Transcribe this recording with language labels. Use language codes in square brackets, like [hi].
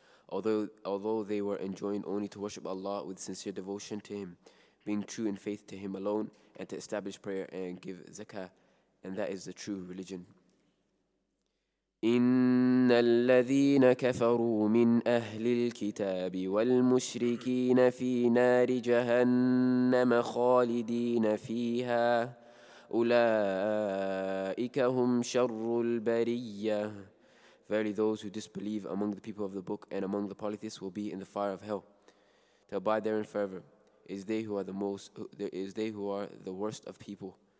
[en] Although they were enjoined only to worship Allah with sincere devotion to Him, being true in faith to Him alone, and to establish prayer and give zakah, and that is the true religion. [ar] إن الذين كفروا من أهل الكتاب والمشركين في نار جهنم خالدين فيها أولئك هم شر البرية. [en] Verily those who disbelieve among the people of the book and among the polytheists will be in the fire of hell. to abide therein forever is they who are the most, is they who are the worst of people.